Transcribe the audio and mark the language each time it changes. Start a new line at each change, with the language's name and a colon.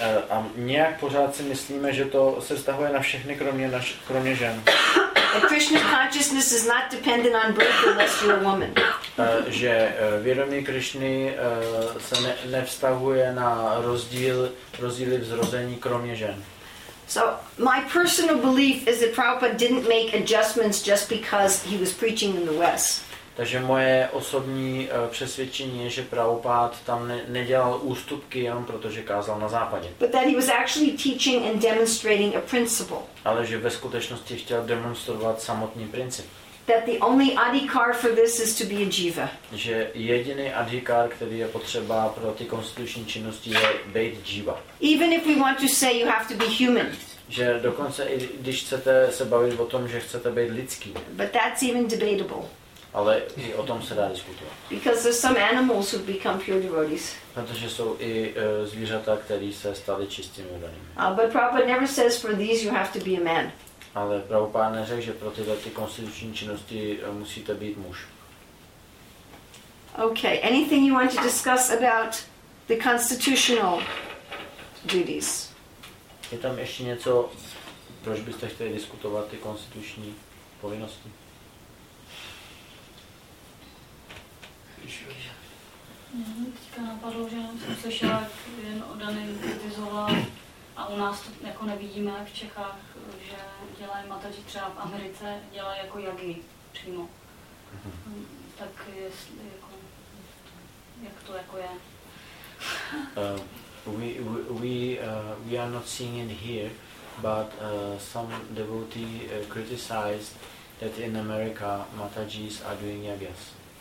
Czech: A nějak pořád si myslíme, že to se vztahuje na všechny kromě kromě žen.
English: That Krishna consciousness is not dependent on birth unless you're a woman.
Czech: Že vědomí Krishny se nevztahuje na rozdíly v zrození kromě žen.
English: So my personal belief is that Prabhupada didn't make adjustments just because he was preaching in the West.
Czech: Takže moje osobní přesvědčení je, že Prabhupád tam nedělal ústupky jenom proto, že kázal na západě.
English: But that he was actually teaching and demonstrating a principle.
Czech: Ale že ve skutečnosti chtěl demonstrovat samotný princip.
English: That the only adhikar for this is to be a jiva.
Czech: Že jediný adhikar, který je potřeba pro ty konstituční činnosti, je být jiva.
English: Even if we want to say you have to be human.
Czech: Že dokonce i když chcete se bavit o tom, že chcete být lidský.
English: But that's even debatable.
Czech: Ale i o tom se dá diskutovat.
English: Because there's some animals who become pure devotees.
Czech: Protože jsou i zvířata, které se staly čistými oddanými.
English: But Prabhupada never says for these you have to be a man.
Czech: Ale Prabhupada neřekl, že pro tyto ty konstituční činnosti musíte být muž.
English: Okay, anything you want to discuss about the constitutional duties?
Czech: Je tam ještě něco, proč byste chtěli diskutovat ty konstituční povinnosti? Teďka napadlo, že jsem slyšela, jak jeden oddaný kritizoval a u nás to jako nevidíme v Čechách, že dělají mataři třeba v Americe, dělají jako jagy přímo. Tak jestli, jako, jak to jako je?
English: we are not seeing it here, but some devotee criticized that in America matajis are doing yagyas.